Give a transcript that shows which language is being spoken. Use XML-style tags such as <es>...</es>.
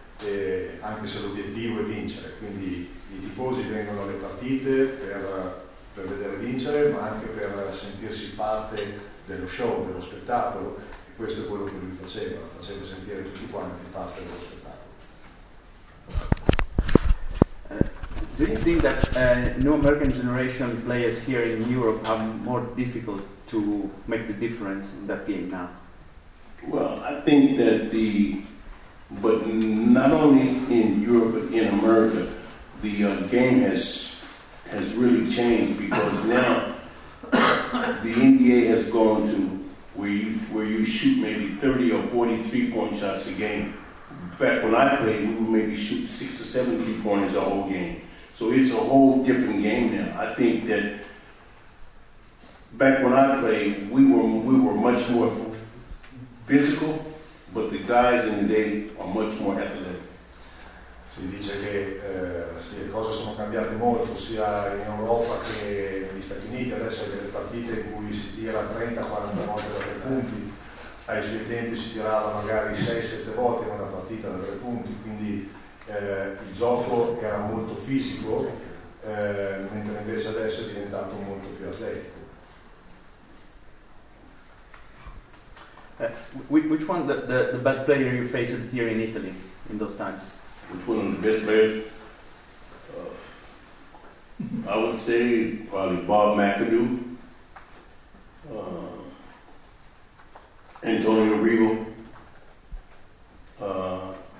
<it>E anche se l'obiettivo è vincere, quindi i tifosi vengono alle partite per vedere vincere, ma anche per sentirsi parte dello show, dello spettacolo, e questo è quello che lui faceva sentire tutti quanti parte dello spettacolo.</it> <en>Do you think that new American generation players here in Europe are more difficult to make the difference in that game now? Well, I think that but not only in Europe, but in America, the game has really changed, because now the NBA has gone to where you shoot maybe 30 or 40 three-point shots a game. Back when I played, we would maybe shoot 6 or 7 three-pointers a whole game. So it's a whole different game now. I think that back when I played, we were much more physical. But the guys in the day are much more athletic.</en> <it>Si dice che sì, le cose sono cambiate molto sia in Europa che negli Stati Uniti. Adesso hai delle partite in cui si tira 30-40 volte da 3 punti. Ai suoi tempi si tirava magari 6-7 volte in una partita da 3 punti. Quindi il gioco era molto fisico, mentre invece adesso è diventato molto più atletico.</it> <en>Which one the best player you faced here in Italy in those times? Which one of the best players? I would say probably Bob McAdoo, Antonio Riva.</en>